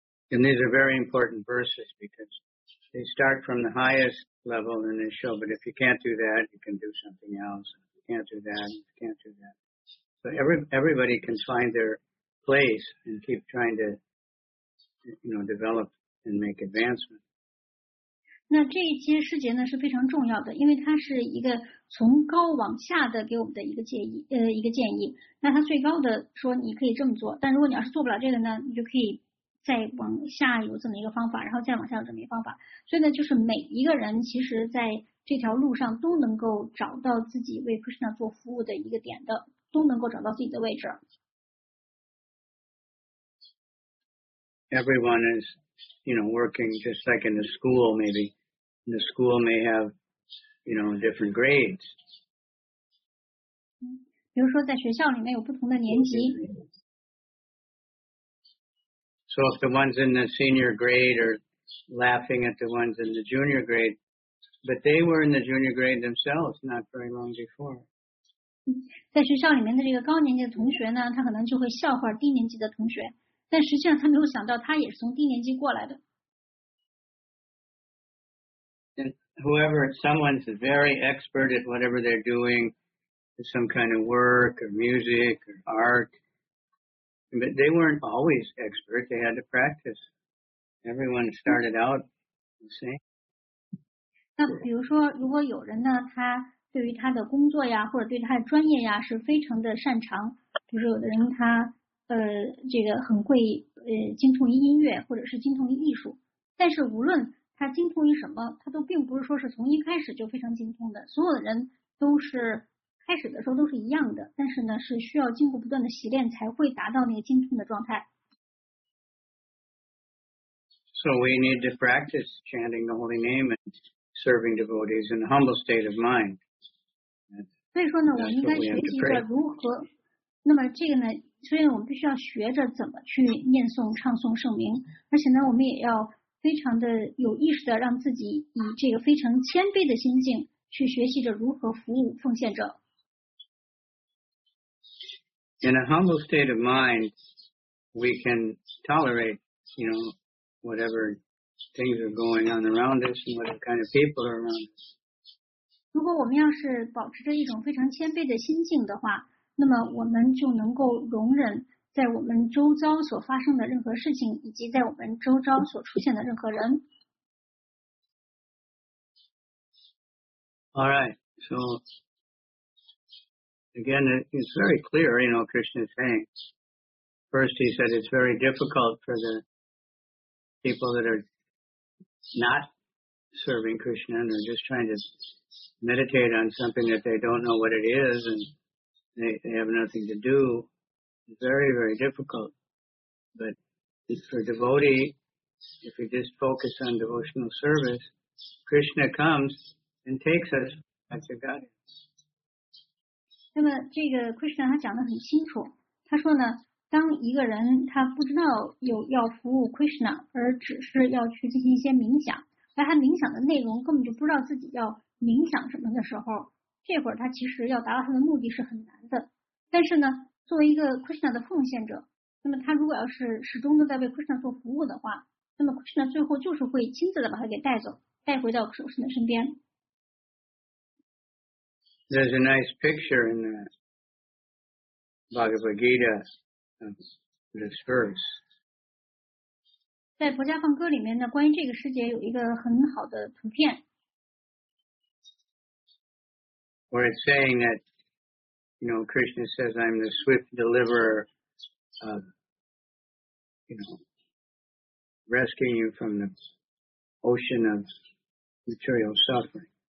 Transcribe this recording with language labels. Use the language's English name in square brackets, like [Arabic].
[English] And these are very important verses because they start from the highest level and they show, but if you can't do that, you can do something else. If you can't do that, you can't do that. So everybody can find their place and keep trying to, you know, develop and make advancement. [Chinese] 那这一些师节呢是非常重要的，因为它是一个从高往下的给我们的一个建议一个建议。那它最高的说你可以这么做，但如果你要是做不了这个呢，你就可以再往下有这么一个方法，然后再往下有这么一个方法。所以呢，就是每一个人其实在这条路上都能够找到自己为 Krishna 做服务的一个点的，都能够找到自己的位置。 [English] Everyone is, you know, working just like in the school, maybe. And the school may have, you know, different grades. [Chinese] 比如说在学校里面有不同的年级。 [English] So if the ones in the senior grade are laughing at the ones in the junior grade, but they were in the junior grade themselves not very long before. [Chinese] 在学校里面的这个高年级的同学呢，他可能就会笑话低年级的同学，但实际上他没有想到他也是从低年级过来的。 [English] Whoever, someone's very expert at whatever they're doing, some kind of work or music or art, but they weren't always expert. They had to practice. Everyone started out the same. [Chinese] 那比如说，如果有人呢，他对于他的工作呀，或者对他的专业呀，是非常的擅长。比如说，有的人他这个很会精通音乐，或者是精通艺术。但是无论他精通于什么，他都并不是说是从一开始就非常精通的，所有的人都是开始的时候都是一样的，但是呢是需要经过不断的习练才会达到那个精通的状态。 [English] So we need to practice chanting the holy name and serving devotees in a humble state of mind. [Chinese] 所以说呢，我们应该学习着如何。那么这个呢，所以我们必须要学着怎么去念诵、唱诵圣名，而且呢，我们也要非常的有意识的让自己以这个非常谦卑的心境去学习着如何服务奉献者。 [English] In a humble state of mind, we can tolerate, you know. Whatever things are going on around us and what kind of people are around us. [Chinese] 如果我们要是保持着一种非常谦卑的心境的话，那么我们就能够容忍在我们周遭所发生的任何事情，以及在我们周遭所出现的任何人。 [English] All right. So again, it's very clear, you know, Krishna is saying. First, he said it's very difficult for the. People that are not serving Krishna and are just trying to meditate on something that they don't know what it is and they have nothing to do. It's very, very difficult. But for a devotee, if you just focus on devotional service, Krishna comes and takes us back to God. [Chinese] 那么这个 Krishna 他讲得很清楚，他说呢当一个人他不知道有要服务 Krishna 而只是要去进行一些冥想，而他冥想的内容根本就不知道自己要冥想什么的时候，这会儿他其实要达到他的目的是很难的。但是呢，作为一个 Krishna 的奉献者，那么他如果要是始终都在为 Krishna 做服务的话，那么 Krishna 最后就是会亲自的把他给带走，带回到 Krishna 身边。 [English] There's a nice picture in the Bhagavad GitaThis verse. [Chinese] 在《佛家梵歌》里面呢，关于这个世界有一个很好的图片。 [English] Where it's saying that, you know, Krishna says, "I'm the swift deliverer of, you know, rescuing you from the ocean of material suffering."